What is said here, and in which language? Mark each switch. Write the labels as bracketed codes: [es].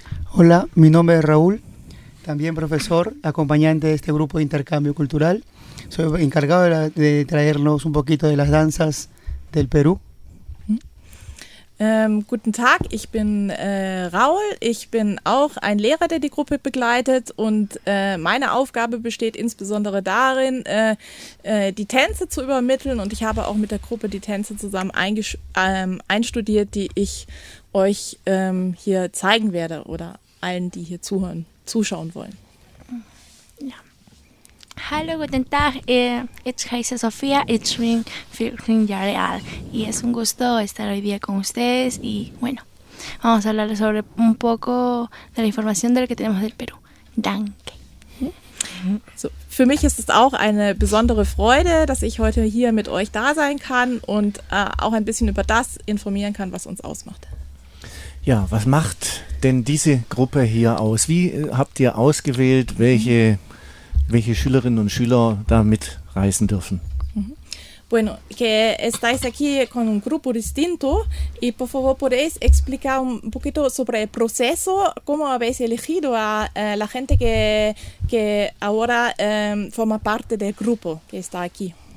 [es] Hola, mi nombre es Raúl, también profesor, acompañante de este grupo de intercambio cultural. Soy encargado de traernos un poquito de las danzas del Perú. [de] Guten Tag, ich bin Raul. Ich bin auch ein Lehrer, der die Gruppe begleitet und meine Aufgabe besteht insbesondere darin, die Tänze zu übermitteln und ich habe auch mit der Gruppe die Tänze zusammen einstudiert, die ich euch hier zeigen werde oder allen, die hier zuschauen wollen. Hallo, guten Tag. Ich heiße Sofía. Ich bin 14 Jahre alt. [es] Y es un gusto estar hoy día con ustedes. Y bueno, vamos a hablar sobre un poco de la información de lo que tenemos del Perú. [de] Danke. So, für mich ist es auch eine besondere Freude, dass ich heute hier mit euch da sein kann und auch ein bisschen über das informieren kann, was uns ausmacht. Ja, was macht denn diese Gruppe hier aus? Wie habt ihr ausgewählt, welche Schülerinnen und Schüler da mitreisen dürfen? [es] Bueno, que estáis aquí con un grupo distinto y por favor podéis explicar un poquito sobre el proceso, cómo habéis elegido a la gente que ahora forma parte del grupo que está aquí.